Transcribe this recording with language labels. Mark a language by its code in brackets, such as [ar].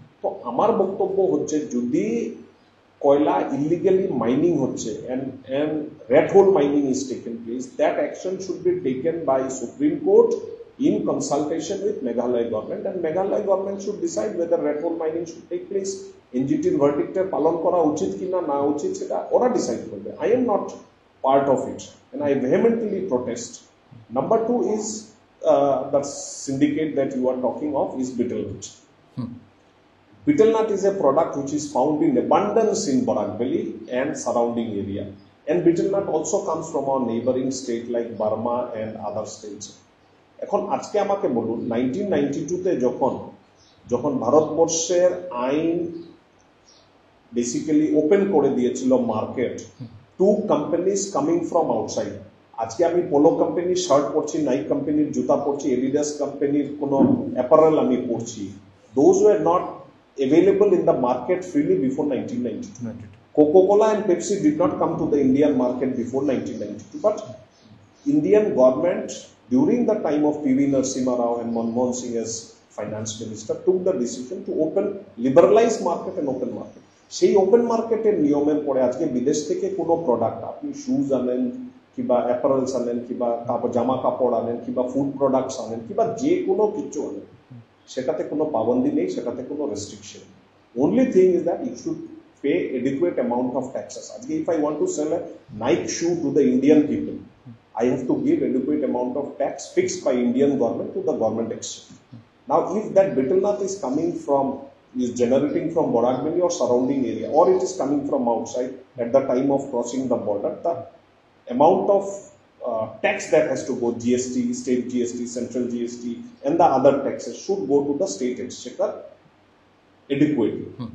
[bn] তো আমার বক্তব্য হচ্ছে যদি কয়লা ইলিগালি মাইনিং হচ্ছে [en] And rat hole mining is taken place, that action should be taken by supreme court in consultation with Meghalaya government, and Meghalaya government should decide whether rat hole mining should take place. [bn] এনজিটির ভার্ডিক্টের পালন করা উচিত কিনা না উচিত সেটা ওরা decide করবে, [en] I am not part of it and I vehemently protest. Number two is the syndicate that you are talking of is betelnut. Betelnut is a product which is found in abundance in Barak Valley and surrounding area. And betelnut also comes from our neighboring state like Burma and other states. [bn] এখন আজকে আমাকে বলুন 1992 তে যখন ভারতবর্ষের আইন basically open করে দিয়েছিল market to companies coming from outside, আজকে আমি পোলো কোম্পানির শার্ট পরছি, নাইক কোম্পানির জুতা পরছি, এডিডাস কোম্পানির কোনো অ্যাপারেল আমি পরছি, [en] Those were not available in the market freely before 1992. Coca-Cola and Pepsi did not come to the Indian market before 1992, but Indian government during the time of P.V. Narasimha Rao and Manmohan Singh as finance minister took the decision to open liberalized market and open market. [bn] Sei open market er niyomer pore ajke bidesh theke kono product apni shoes anen kiba apparel anen kiba tapor jama kapor anen kiba food products anen kiba je kono kichu anen, সেটাতে কোনো পাবন্দি নেই, সেটাতে কোনো restriction. [en] Only thing is that you should pay adequate amount of taxes. আজকে if I want to sell a Nike shoe to the Indian people, I have to give adequate amount of tax fixed by Indian government to the government exchange. Now if that betelnut is coming from is generating from Barak valley or surrounding area or it is coming from outside at the time of crossing the border, the amount of tax that has to go, GST, state GST, central GST and the other taxes should go to the state exchequer adequately.